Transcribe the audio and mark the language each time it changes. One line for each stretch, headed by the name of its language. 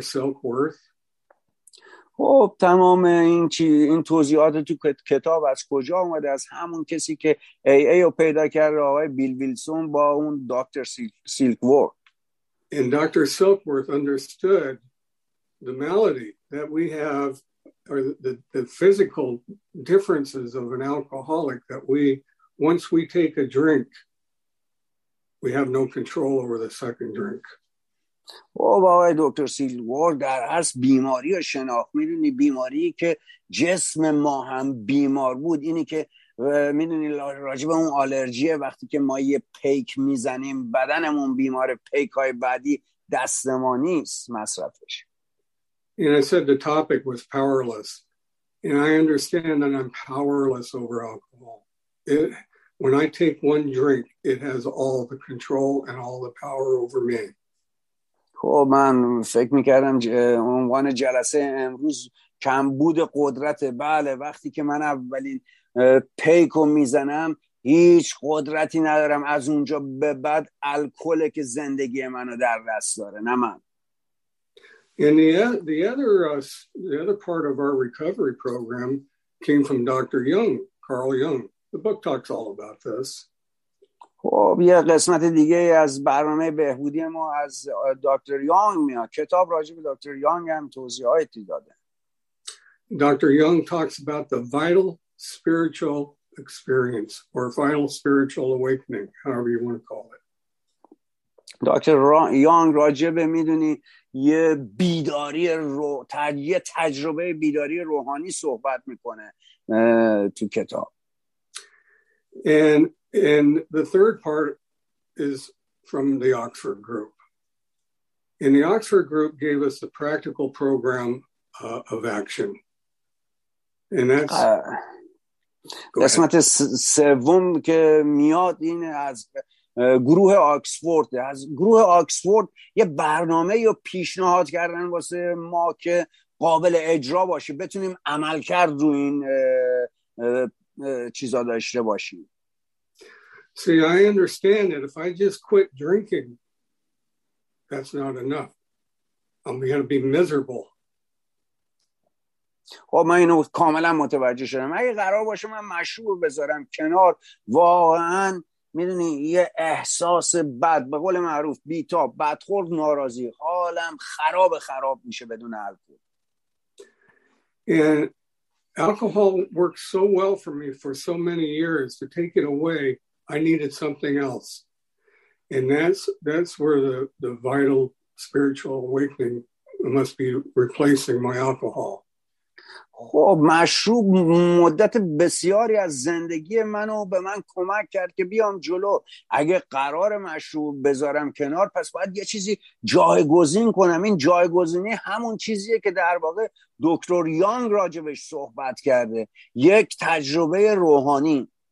English: Silkworth.
Persian: خب تمام این این توضیحات تو کتاب از کجا اومده؟ از همون کسی که AA رو پیدا کرده، آقای بیل ویلسون با اون دکتر سیلکورت.
English: And Dr. Silkworth understood the malady that we have, or the physical differences of an alcoholic, that we, once we take a drink, we have no control over the second drink.
Persian: خب آقای دکتر سیلوار در اصل بیماری رو شناخت. میدونی بیماری که جسم ما هم بیمار بود، اینی که میدونی راجب اون آلرژیه، وقتی که ما یه پیک میزنیم بدنمون بیمار، پیک های بعدی دست ما نیست مصرفش.
English: And I said the topic was powerless, and I understand that I'm powerless over alcohol. It, when I take one drink, it has all the control and all the power over me.
Persian: خب من فکر میکردم عنوان جلسه امروز کمبود قدرت. بله وقتی که من اولین پیکو میزنم هیچ قدرتی ندارم، از اونجا به بعد الکل که زندگی منو در دست داره نه من.
English: And the other part of our recovery program came from Dr. Jung, Carl Jung. The book talks all about this.
Persian: خب یه قسمت دیگه از برنامه بهبودی ما از دکتر یانگ میاد. کتاب راجع به دکتر یانگ هم توضیحاتی داده.
English: Dr. Jung talks about the vital spiritual experience or vital spiritual awakening, however you want to call it.
Persian: دکتر یانگ راجع به میدونی یه بیداری رو یه تجربه بیداری روحانی صحبت میکنه تو کتاب.
English: And the third part is from the Oxford group. And the Oxford group gave us the practical program of action. And that's
Persian: قسمت سوم که میاد این از گروه آکسفورد. از گروه آکسفورد یه برنامه یا پیشنهاد کردن واسه ما که قابل اجرا باشه، بتونیم عمل کرد رو این چیزا داشته باشیم.
English: See, I understand that if I just quit drinking, that's not enough. I'm going to be miserable.
Persian: خب من اینو کاملا متوجه شدم. اگه قرار باشه من مشروب بذارم کنار، واقعا میدونی یه احساس بد، به قول معروف بیتاب، بدخورد، ناراضی، حالم خراب خراب میشه بدون الکل.
English: And alcohol worked so well for me for so many years. To take it away, I needed something else. And that's where the vital spiritual awakening must be replacing my alcohol.
Persian: خب مشروب مدت بسیاری از زندگی منو به من کمک کرد که بیام جلو. اگه قرار مشروب بذارم کنار، پس باید یه چیزی جایگزین کنم. این جایگزینی همون چیزیه که در واقع دکتر یانگ راجبش صحبت کرده، یک تجربه روحانی.